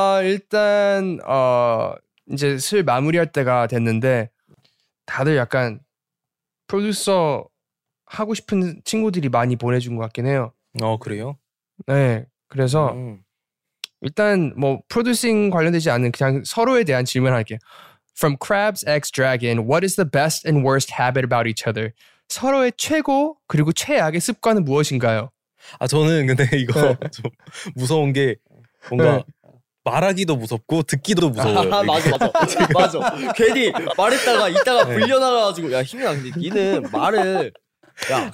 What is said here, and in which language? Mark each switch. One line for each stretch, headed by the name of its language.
Korean: 일단 이제 슬 마무리할 때가 됐는데 다들 약간 프로듀서 하고 싶은 친구들이 많이 보내준 것 같긴 해요. 그래요? 네. 그래서 일단 뭐 프로듀싱 관련되지 않은 그냥 서로에 대한 질문 할게요.
English: From Crabs X Dragon, what is the best and worst habit about each other?
Korean: 서로의 최고 그리고 최악의 습관은 무엇인가요? 아 저는 근데 이거 좀 무서운 게 뭔가 말하기도 무섭고 듣기도 무서워요. 아, 맞아. 괜히 말했다가 이따가 불려나가가지고 야 힘이 안 돼. 니는 말을 야